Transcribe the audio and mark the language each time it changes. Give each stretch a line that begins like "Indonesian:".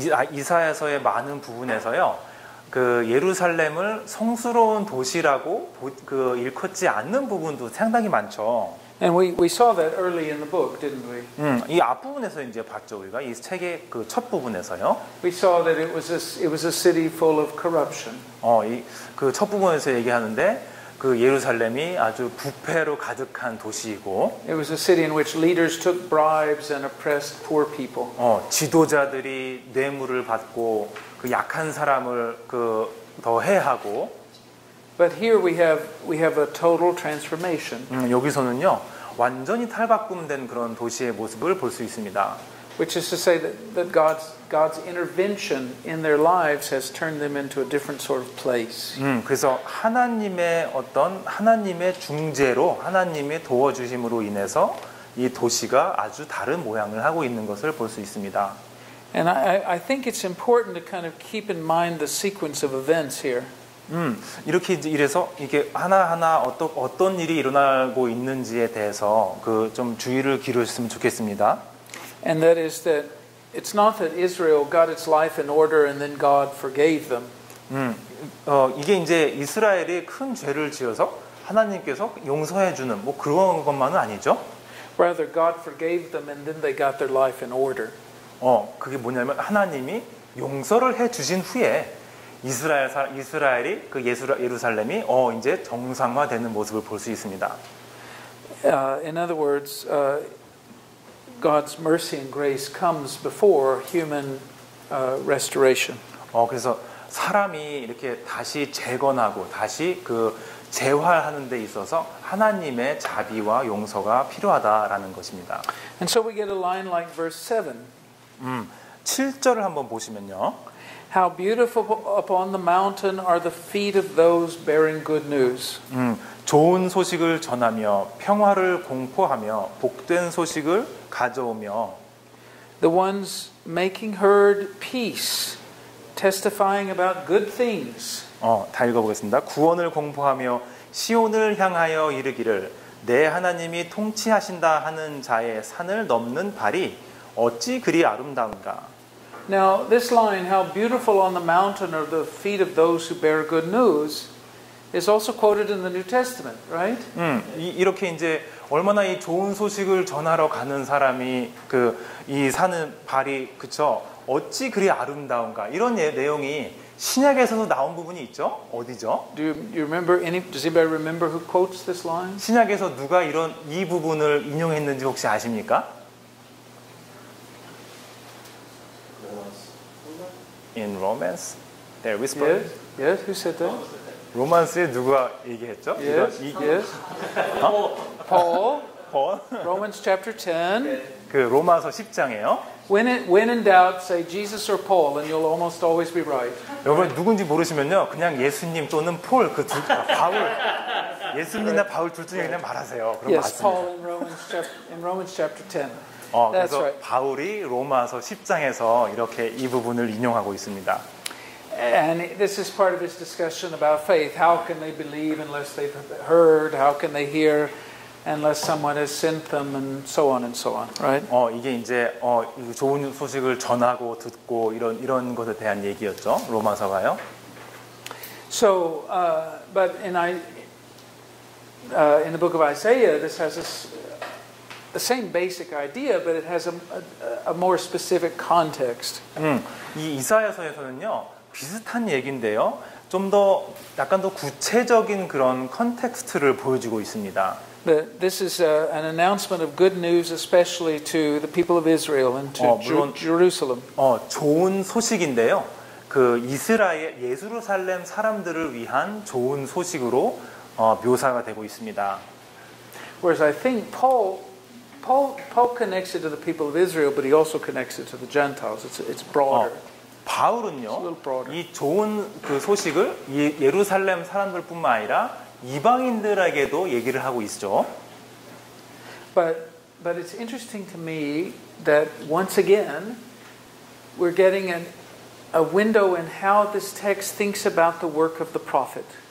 Korean: 이사야서의 많은 부분에서요. 그 예루살렘을 성스러운 도시라고 그 일컫지 않는 부분도 상당히 많죠.
English: And we saw that early in the book, didn't we?
Korean: 이 앞부분에서 이제 봤죠, 우리가. 이 책의 그 첫 부분에서요.
English: We saw that it was a city full of corruption.
Korean: 이 그 첫 부분에서 얘기하는데 그 예루살렘이 아주 부패로 가득한 도시이고
English: It was a city in which leaders took bribes and oppressed poor people.
Korean: 지도자들이 뇌물을 받고 그 약한 사람을 그 더 해하고
English: But here we have a total transformation.
Korean: 여기서는요. 완전히 탈바꿈된 그런 도시의 모습을 볼 수 있습니다.
English: Which is to say that God's intervention in their lives has turned them into a different sort of place.
Korean: 그래서 하나님의 중재로 하나님의 도와주심으로 인해서 이 도시가 아주 다른 모양을 하고 있는 것을 볼 수 있습니다.
English: And I think it's important to kind of keep in mind the sequence of events here.
Korean: 이렇게 이래서 이게 하나하나 어떤 일이 일어나고 있는지에 대해서 그 좀 주의를 기울였으면 좋겠습니다.
English: And that is that it's not that Israel got its life in order and then God forgave them.
Korean: 이게 이제 이스라엘이 큰 죄를 지어서 하나님께서 용서해 주는 뭐 그런 것만은 아니죠.
English: Rather God forgave them and then they got their life in order.
Korean: 그게 뭐냐면 하나님이 용서를 해 주신 후에 이스라엘이 그 예루살렘이 이제 정상화되는 모습을 볼 수 있습니다.
English: In other words, God's mercy and grace comes before human restoration.
Korean: 그래서 사람이 이렇게 다시 재건하고 다시 그 재활하는 데 있어서 하나님의 자비와 용서가 필요하다라는 것입니다.
English: And so we get a line like verse 7.
Korean: 7절을 한번 보시면요.
English: How beautiful upon the mountain are the feet of those bearing good news.
Korean: 좋은 소식을 전하며 평화를 공포하며 복된 소식을 가져오며
English: The ones making heard peace, testifying about good things.
Korean: 다 읽어보겠습니다. 구원을 공포하며 시온을 향하여 이르기를 내 하나님이 통치하신다 하는 자의 산을 넘는 발이 어찌 그리 아름다운가?
English: Now this line, how beautiful on the mountain are the feet of those who bear good news, is also quoted in the New Testament, right?
Korean: 이렇게 이제 얼마나 이 좋은 소식을 전하러 가는 사람이 그 이 사는 발이 그쵸? 어찌 그리 아름다운가? 이런 내용이 신약에서도 나온 부분이 있죠? 어디죠?
English: Does anybody remember who quotes this line?
Korean: 신약에서 누가 이런 이 부분을 인용했는지 혹시 아십니까?
English: In Romans, they whispered. Yes. Yes. Who said that?
Korean: Romans에 누가 얘기했죠?
English: Yes. 이거, yes. 어? Paul. Romans chapter 10.
Korean: 그 로마서 10장에요.
English: When in doubt, say Jesus or Paul, and you'll almost always be right.
Korean: 여러분 누군지 모르시면요, 그냥 예수님 또는 폴 그 둘 다 바울. 예수님이나 바울 둘 중에 그냥 말하세요. 그럼
English: yes,
Korean: 맞습니다.
English: Paul in Romans chapter, in Romans chapter 10.
Korean: 그래서
English: right.
Korean: 바울이 로마서 10장에서 이렇게 이 부분을 인용하고 있습니다.
English: And this is part of his discussion about faith. How can they believe unless they've heard? How can they hear unless someone has sent them? And so on and so on. Right?
Korean: 이게 이제 좋은 소식을 전하고 듣고 이런 것에 대한 얘기였죠. 로마서가요.
English: So, but in in the book of Isaiah, this has the same basic idea, but it has a more specific context.
Korean: 이 이사야서에서는요. 비슷한 얘긴데요. 좀 더 약간 더 구체적인 그런 컨텍스트를 보여주고 있습니다.
English: This is an announcement of good news, especially to the people of Israel and to Jerusalem.
Korean: 좋은 소식인데요. 그 이스라엘 예루살렘 사람들을 위한 좋은 소식으로 묘사가 되고 있습니다.
English: Whereas I think Paul connects it to the people of Israel, but he also connects it to the Gentiles. It's broader.
Korean: 바울은요, 이 좋은 그 소식을 예루살렘 사람들뿐만 아니라 이방인들에게도 얘기를 하고 있죠.
English: But it's interesting to me that once again we're getting a window in how this text thinks about the work of the prophet.